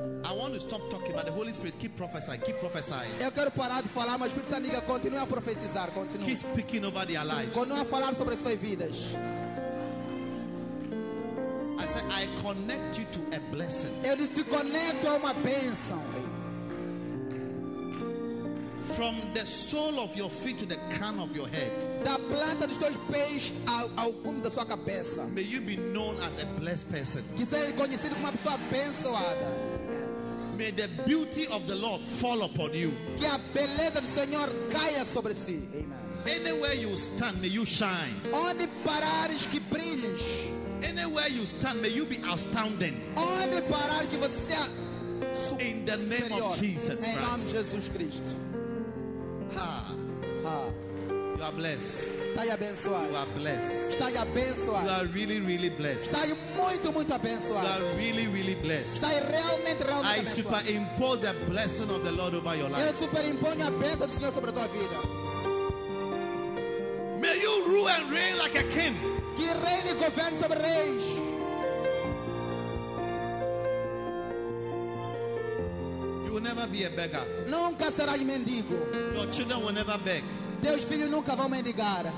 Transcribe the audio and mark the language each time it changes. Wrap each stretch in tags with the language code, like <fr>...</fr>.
<en>I want to stop talking, but the Holy Spirit keep prophesying, keep prophesying.</en> <pt>Eu quero parar de falar, mas o Espírito Santo continue a profetizar, continue.</pt> <en>Keep speaking over their lives.</en> <pt>Continue a falar sobre suas vidas.</pt> <en>I said I connect you to a blessing.</en> <pt>Eu disse te conecto a uma bênção.</pt> <en>From the sole of your feet to the crown of your head.</en> <pt>Da planta dos teus pés ao cume da sua cabeça.</pt> <en>May you be known as a blessed person.</en> <pt>Que seja conhecido como uma pessoa abençoada.</pt> <en>May the beauty of the Lord fall upon you.</en> <pt>Que a beleza do Senhor caia sobre si.</pt> <en>Amen. Anywhere you stand, may you shine.</en> <pt>Onde parares, que brilhes.</pt> <en>Anywhere you stand, may you be astounding.</en> <pt>Onde parar que você seja</pt> <en>superior. In the name of Jesus Christ.</en> <pt>Em nome de Jesus Cristo.</pt> <en>You are blessed. You are blessed. You are really, really blessed.</en> <pt>Muito, muito abençoado.</pt> <en>You are really, really blessed.</en> <pt>Realmente, realmente</pt> <en>I superimpose the blessing of the Lord over your life.</en> <pt>Eu superimponho a bênção do Senhor sobre a tua vida.</pt> <en>May you rule and reign like a king.</en> <pt>Que reine e governe sobre reis.</pt> <en>You will never be a beggar.</en> <pt>Nunca será mendigo.</pt> <en>Your children will never beg.</en> <pt>Teus filhos nunca vão mendigar.</pt>